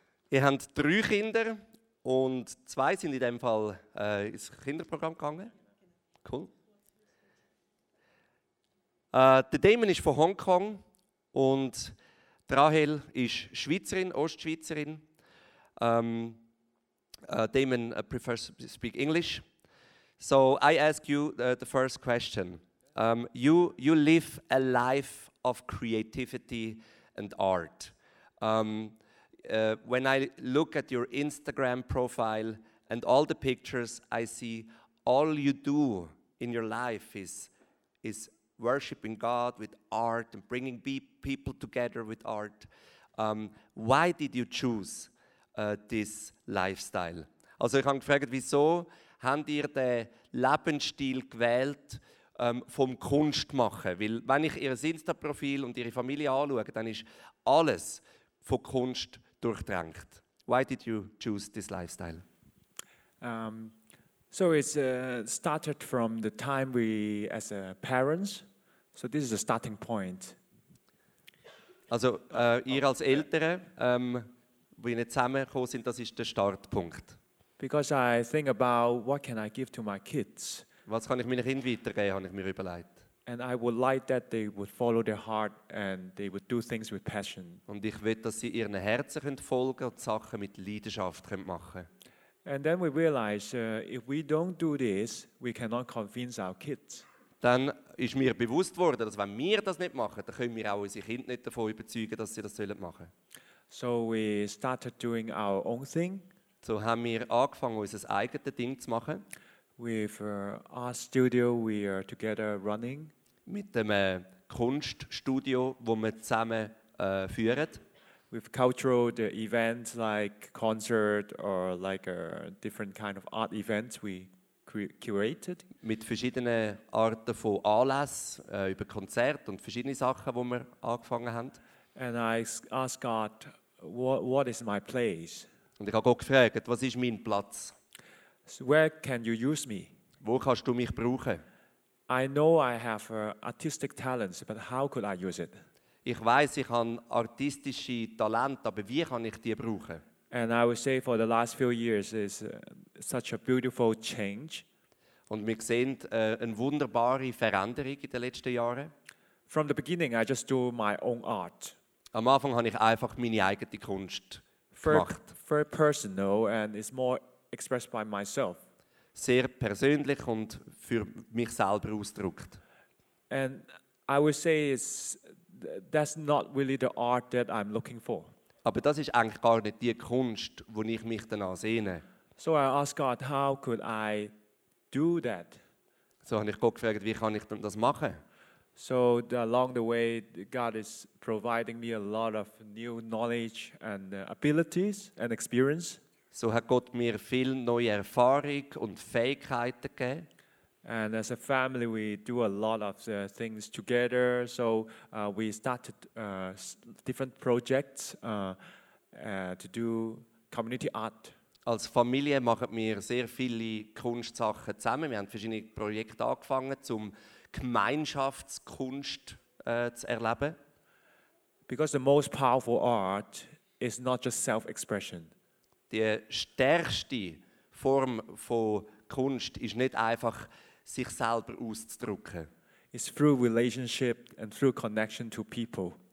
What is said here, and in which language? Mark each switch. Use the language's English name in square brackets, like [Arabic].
[German] Ihr habt 3 Kinder. Und 2 sind in dem Fall ins Kinderprogramm gegangen. Cool. Der Damon ist von Hongkong und Rahel ist Schweizerin, Ostschweizerin. [English] Damon prefers to speak English. So I ask you the first question. You live a life of creativity and art. When I look at your Instagram profile and all the pictures, I see all you do in your life is worshiping God with art and bringing people together with art. Why did you choose this lifestyle? [German] Also, ich habe gefragt, wieso habt ihr den Lebensstil gewählt vom Kunstmachen? Weil wenn ich ihr Insta-Profil und ihre Familie anschaue, dann ist alles von Kunst durchdrängt. [English] Why did you choose this lifestyle? So it started from the time we as parents. So this is a starting point. [German] Also ihr als Eltern, wo ihr zusammengekommen sind, das ist der Startpunkt. [English] Because I think about what can I give to my kids. [German] Was kann ich meinen Kindern weitergeben, habe ich mir überlegt. [English] And I would like that they would follow their heart and they would do things with passion. [German] Und ich will, dass sie ihren Herzen folgen und Sachen mit Leidenschaft machen. [English] And then we realize if we don't do this, we cannot convince our kids. [German] Dann ist mir bewusst worden, dass wenn wir das nicht machen, dann können wir auch unsere Kinder nicht davon überzeugen, dass sie das sollen machen. [English] So we started doing our own thing. [German] So haben wir angefangen, unser eigenes Ding zu machen. [English] With our studio, we are together running. [German] Mit dem Kunststudio, wo wir zusammen führen. [English] With cultural the events like concert or like a different kind of art events we curated. [German] Mit verschiedenen Arten von Anlässen über Konzerte und verschiedene Sachen, wo wir angefangen haben. [English] And I asked God, what is my place? [German] Und ich habe Gott gefragt, was ist mein Platz? [English] So where can you use me? [German] Wo kannst du mich brauchen? [English] I know I have artistic talents, but how could I use it? [German] Ich weiß, ich habe artistische Talente, aber wie kann ich die brauchen? [English] And I would say for the last few years is such a beautiful change. [German] Und wir sehen eine wunderbare Veränderung in den letzten Jahren. [English] From the beginning, I just do my own art. [German] Am Anfang habe ich einfach meine eigene Kunst gemacht. [English] Very personal and it's more expressed by myself. [German] Sehr persönlich und für mich selber ausgedrückt. [English] And I would say that's not really the art that I'm looking for. [German] Aber das ist eigentlich gar nicht die Kunst, wo ich mich danach sehne. [English] So I asked God, how could I do that? [German] So habe ich Gott gefragt, wie kann ich denn das machen? [English] So along the way, God is providing me a lot of new knowledge and abilities and experience. [German] So hat Gott mir viel neue Erfahrung und Fähigkeiten gegeben. [English] And as a family, we do a lot of things together. So we started different projects to do community art. [German] Als Familie machen wir sehr viele Kunstsachen zusammen. Wir haben verschiedene Projekte angefangen, um Gemeinschaftskunst zu erleben. [English] Because the most powerful art is not just self-expression. [German] Die stärkste Form von Kunst ist nicht einfach, sich selber auszudrücken. [English] It's through relationship and through connection to people.